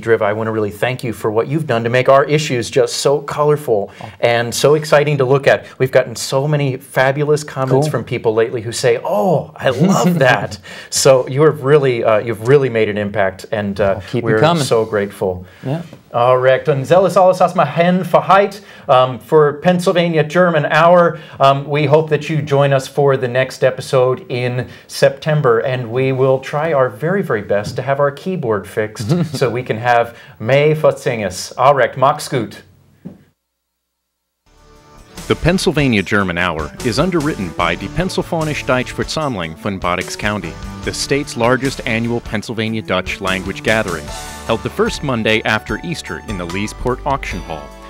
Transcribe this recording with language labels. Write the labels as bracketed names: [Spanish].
[English] Driva, I want to really thank you for what you've done to make our issues just so colorful oh. and so exciting to look at. We've gotten so many fabulous comments cool. from people lately who say, "Oh, I love that." So you are really you've really made an impact, and we're so grateful. Yeah. All right. [Pennsylvania German] Und zelles alles aus meinem Hand für heute, [English] for Pennsylvania German Hour. We hope that you join us for the next episode in September, and we will try our very, very best to have our keyboard fixed so we can have May Fatsinges. All right. [German] Mach's gut. [English] The Pennsylvania German Hour is underwritten by Die Pennsylvanische Deutschversammlung von Baddox County, the state's largest annual Pennsylvania Dutch language gathering, held the first Monday after Easter in the Leesport Auction Hall.